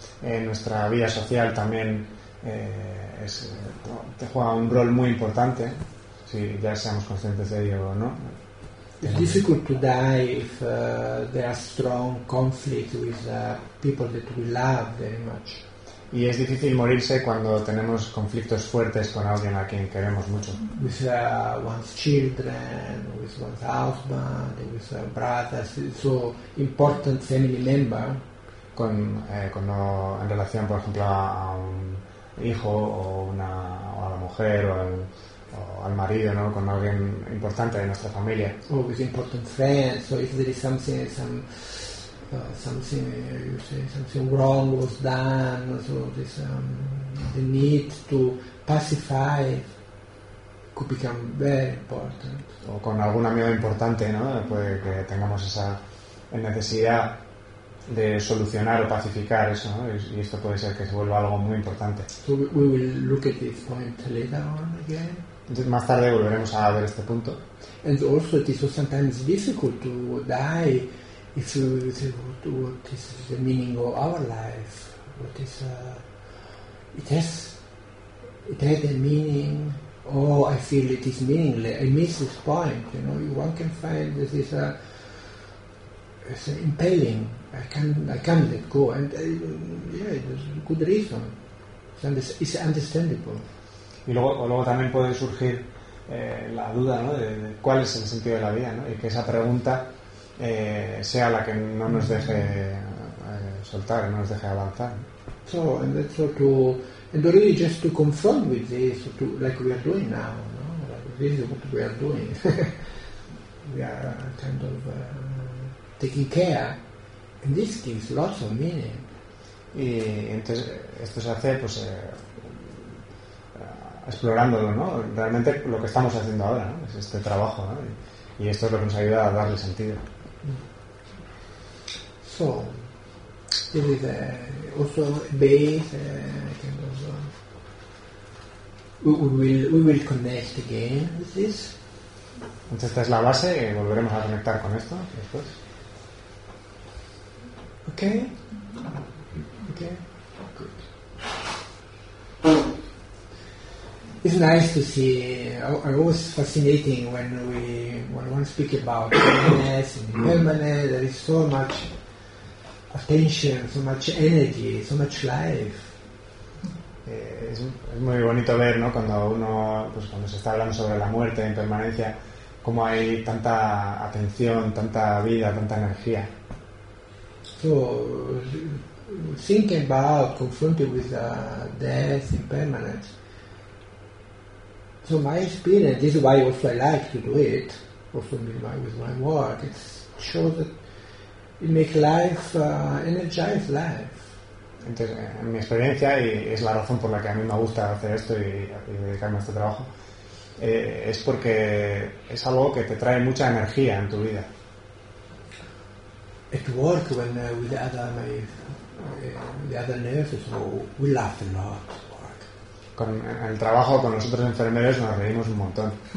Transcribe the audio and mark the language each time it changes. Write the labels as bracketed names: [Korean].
[Spanish] En nuestra vida social también te juega un rol muy importante, si ya seamos conscientes de ello o no. [English] It's difficult to die if there are strong conflicts with people that we love very much. [Spanish] Y es difícil morirse cuando tenemos conflictos fuertes con alguien a quien queremos mucho. [English] With one's children, with one's husband, with brothers, so important family member. [Spanish] Cuando en relación, por ejemplo, a un hijo o a la mujer o al marido, ¿no? Con alguien importante de nuestra familia. [English] Oh, with important friends. So if there is something wrong was done, so this the need to pacify could become very important. [Spanish] O con algún amigo importante, ¿no? Puede que tengamos esa necesidad de solucionar o pacificar eso, ¿no? Y esto puede ser que se vuelva algo muy importante. [English] So we will look at this point later on again. [Spanish] Entonces más tarde volveremos a ver este punto. [English] And also it is sometimes difficult to die if what is the meaning of our life, what is it has a meaning, or I feel it is meaningless, I miss this point, you know, one can find this is impelling, I can't let go, and there's a good reason, it's understandable. [Spanish] Y luego también puede surgir la duda, ¿no? de cuál es el sentido de la vida, ¿no? Y que esa pregunta sea la que no nos deje soltar, no nos deje avanzar. [English] So, and that's so to, and really just to confront with this, to, like we are doing now, ¿no? Like this is what we are doing. We are kind of taking care, and this gives lots of meaning. [Spanish] Y entonces esto se hace, pues. Explorándolo, ¿no? Realmente lo que estamos haciendo ahora, ¿no? Es este trabajo, ¿no? Y esto es lo que nos ayuda a darle sentido. [English] So, this is also base, kind of, we will connect again with this. [Spanish] Entonces esta es la base y volveremos a conectar con esto después. [English] Okay. It's nice to see. It was fascinating when we speak about awareness and impermanence. There is so much attention, so much energy, so much life. [Spanish] Es muy bonito ver, ¿no? Cuando uno, pues, cuando se está hablando sobre la muerte, impermanencia, cómo hay tanta atención, tanta vida, tanta energía. [English] So, thinking about confronting with death, impermanence. So my experience, this is why also I like to do it, also with my work, it shows that it makes life, energize life. [Spanish] Entonces, en mi experiencia, y es la razón por la que a mí me gusta hacer esto y dedicarme a este trabajo, es porque es algo que te trae mucha energía en tu vida. [English] At work, when with the other nurses, we laugh a lot. [Spanish] Con el trabajo con los otros enfermeros nos reímos un montón.